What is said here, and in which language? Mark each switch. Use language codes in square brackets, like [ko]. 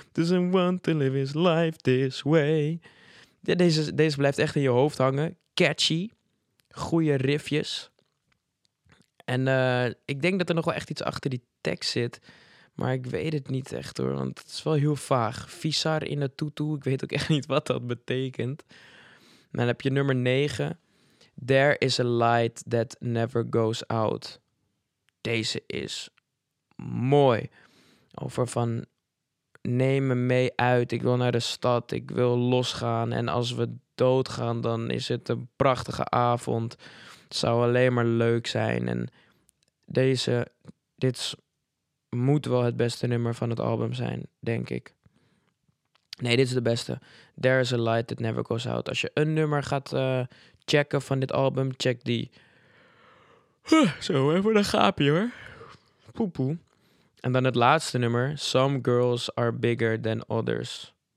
[en] Doesn't want to live his life this way. [nl] Ja, deze blijft echt in je hoofd hangen. Catchy. Goeie riffjes. En ik denk dat er nog wel echt iets achter die tekst zit. Maar ik weet het niet echt, hoor. Want het is wel heel vaag. Visar in a tutu. Ik weet ook echt niet wat dat betekent. Dan heb je nummer 9. [en] There is a light that never goes out. [nl] Deze is mooi. Over van, neem me mee uit. Ik wil naar de stad. Ik wil losgaan. En als we doodgaan, dan is het een prachtige avond. Het zou alleen maar leuk zijn. En dit moet wel het beste nummer van het album zijn, denk ik. Nee, dit is de beste. [en] There is a light that never goes out. [nl] Als je een nummer gaat checken van dit album, check die. Zo, even een gaapje hoor. Poepoe. En dan het laatste nummer. [en] Some girls are bigger than others.